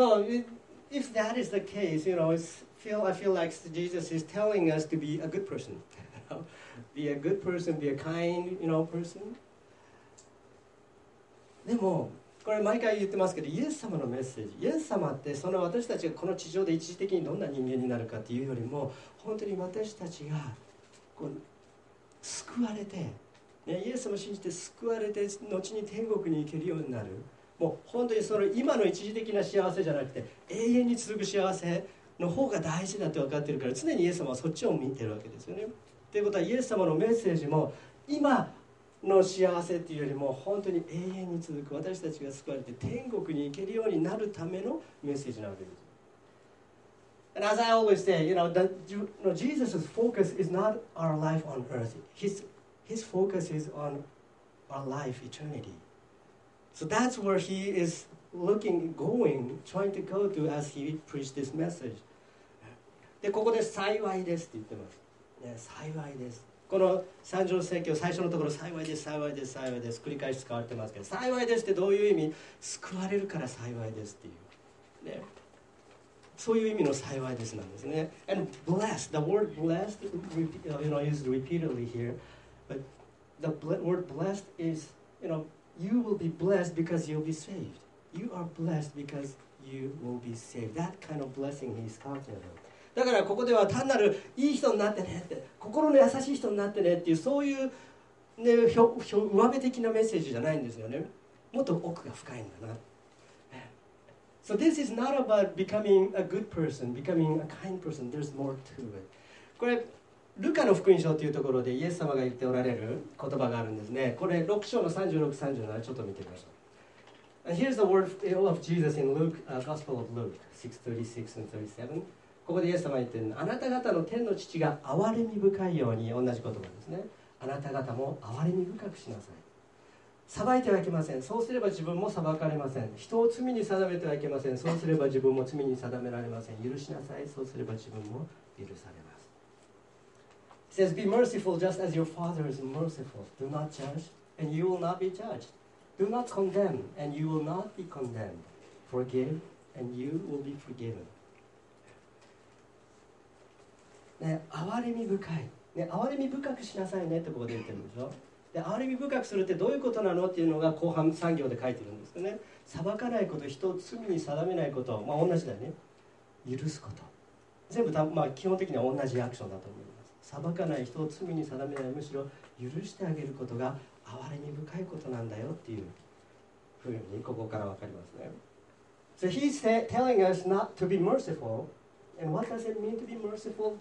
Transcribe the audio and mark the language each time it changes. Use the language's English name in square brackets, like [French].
[English] So if that is the case, you know, I feel like Jesus is telling us to be a good person. Be a good person, be a kind, you know, person. [Japanese] でもこれ毎回言ってますけど、イエス様のメッセージ、イエス様ってその私たちがこの地上で一時的にどんな人間になるかっていうよりも、本当に私たちがこう救われて、ね、イエス様を信じて救われて後に天国に行けるようになる、もう本当にその今の一時的な幸せじゃなくて永遠に続く幸せの方が大事だって分かってるから、常にイエス様はそっちを見てるわけですよね。ということはイエス様のメッセージも今の幸せっていうよりも本当に永遠に続く、私たちが救われて天国に行けるようになるためのメッセージなわけです。 [English] And as I always say, you know, that you know, Jesus' focus is not our life on earth. His focus is on our life, eternity. So that's where he is looking, going, trying to go to as he preached this message. [Japanese] で、ここで幸いですって言ってます。ね、幸いです。この三条説教、最初のところ、幸いです、幸いです、幸いです、繰り返し使われてますけど、幸いですってどういう意味？救われるから幸いですっていう。ね、そういう意味の幸いですなんですね。 [English] And blessed, the word blessed, you know, used repeatedly here. But the word blessed is, you know, you will be blessed because you'll be saved. You are blessed because you will be saved. That kind of blessing he's talking about. [Japanese] だからここでは単なるいい人になってねって、心の優しい人になってねっていう、そういう、ね、上辺的なメッセージじゃないんですよね。もっと奥が深いんだな。 [English] So this is not about becoming a good person, becoming a kind person. There's more to it. [Japanese] これルカの福音書というところでイエス様が言っておられる言葉があるんですね。これ6章の36、37、ちょっと見てみましょう。 [English] Here's the word of Jesus in Luke, Gospel of Luke, 6:36 and 37. [Japanese] ここでイエス様言っているのは、あなた方の天の父が憐れみ深いように、同じ言葉ですね、あなた方も憐れみ深くしなさい。裁いてはいけません、そうすれば自分も裁かれません。人を罪に定めてはいけません、そうすれば自分も罪に定められません。許しなさい、そうすれば自分も許されます。 [English] It says, be merciful just as your father is merciful. Do not judge and you will not be judged. Do not condemn and you will not be condemned. Forgive and you will be forgiven. [Japanese] ね、憐れみ深い、ね、憐れみ深くしなさいねってここで言ってるんでしょ。で、憐れみ深くするってどういうことなのっていうのが後半3行で書いてるんですよね。裁かないこと、人を罪に定めないこと、まあ同じだよね。許すこと、全部、まあ、基本的には同じアクションだと思います。裁かない、人を罪に定めない、むしろ許してあげることが憐れみ深いことなんだよっていうふうにここから分かりますね。 [English] So he's telling us not to be mercifulAnd what does it mean to be merciful?